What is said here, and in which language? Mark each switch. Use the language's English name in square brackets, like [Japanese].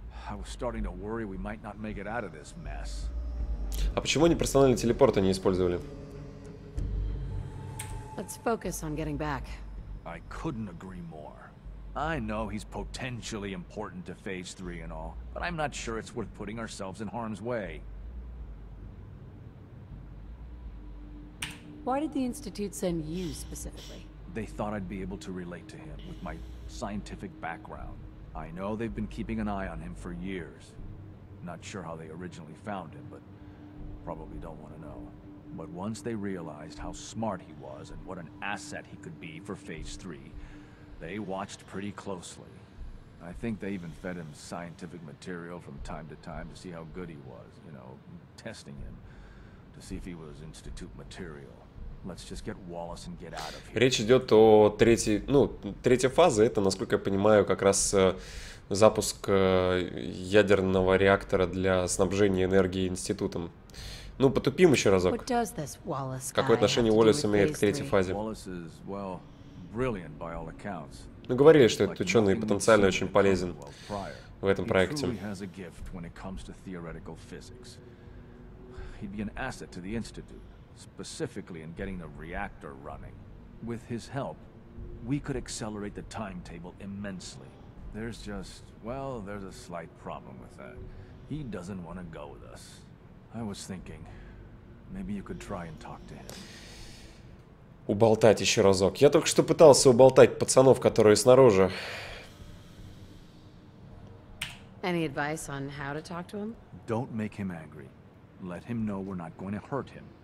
[English] I was starting to worry we might not make it out of this mess. [Russian] А почему они персональный телепорт не использовали? [English] Let's focus on getting back. I couldn't agree more. I know he's potentially important to phase 3 and all, but I'm not sure it's worth putting ourselves in harm's way. Why did the Institute send you specifically? They thought I'd be able to relate to him with my scientific background. I know they've been keeping an eye on him for years. Not sure how they originally found him, but probably don't want to know. But once they realized how smart he was and what an asset he could be for Phase 3, they watched pretty closely. I think they even fed him scientific material from time to time to see how good he was, you know, testing him. To see if he was Institute material. Let's just get Wallace and get out of here. [Russian] Речь идет о третьей фазе. Это, насколько я понимаю, как раз запуск ядерного реактора для снабжения энергии институтом. Ну, потупим еще разок. [English] What does this Wallace guy? [Russian] Какое отношение Уоллес имеет к третьей фазе? [English] Wallace is, well, brilliant by all accounts. [Russian] Ну, говорили, что этот ученый потенциально очень полезен в этом проекте. [English] He truly has a gift when it comes to theoretical physics. He'd be an asset to the Institute, specifically in getting the reactor running. With his help, we could accelerate the timetable immensely. There's just, well, there's a slight problem with that. He doesn't want to go with us. I was thinking, maybe you could try and talk to him. [Russian] Уболтать еще разок. Я только что пытался уболтать пацанов, которые снаружи. [English] Any advice on how to talk to him? Don't make him angry. Let him know we're not going to hurt him.